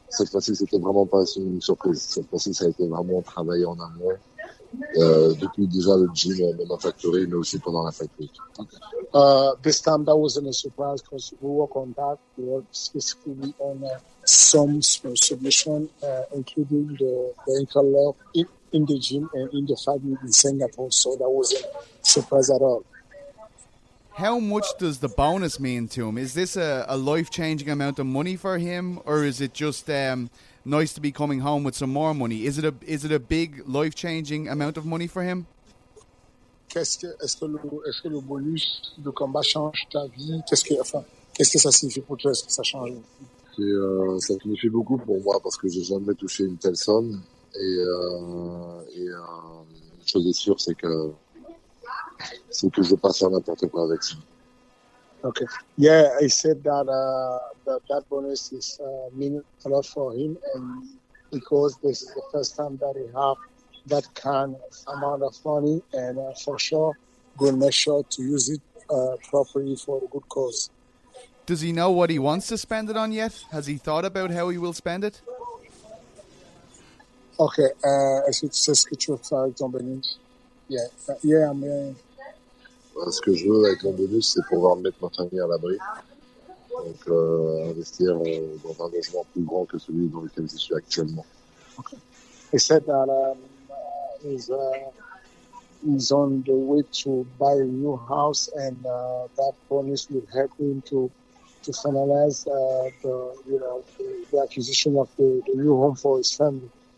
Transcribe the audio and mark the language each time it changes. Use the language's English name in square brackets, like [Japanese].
[French] Cette fois-ci, c'était vraiment pas une surprise. Cette fois-ci, ça a été vraiment travaillé en amont. Depuis déjà le gym, dans la factory, mais aussi pendant la factory. [English] This time, that wasn't a surprise because we work on that. We work specifically on some submission, including the ankle lock in the gym and in the fight in Singapore. So that wasn't a surprise at all. How much does the bonus mean to him? Is this a life-changing amount of money for him, or is it just nice to be coming home with some more money? Is it a big life-changing amount of money for him? [French] Est-ce que le bonus de combat change ta vie? Qu'est-ce que ça signifie pour toi? Est-ce que ça change? Ça signifie beaucoup pour moi parce que j'ai jamais touché une telle somme. Et une chose est sûre, c'est que je passe à n'importe quoi avec ça. [English] Okay. Yeah, I said that that bonus is mean a lot for him, and because this is the first time that he have that kind of amount of money, and for sure, going to make sure to use it properly for a good cause. Does he know what he wants to spend it on yet? Has he thought about how he will spend it? [French] Okay, est-ce que tu sais ce que tu veux faire avec ton bonus? Yeah, mais... Ce que je veux avec ton bonus, c'est pouvoir mettre ma famille à l'abri. Donc, investir dans un logement plus grand que celui dans lequel je suis actuellement. [English] Okay. He said that he's on the way to buy a new house, and that bonus will help him to finalize the acquisition of the new home for his family.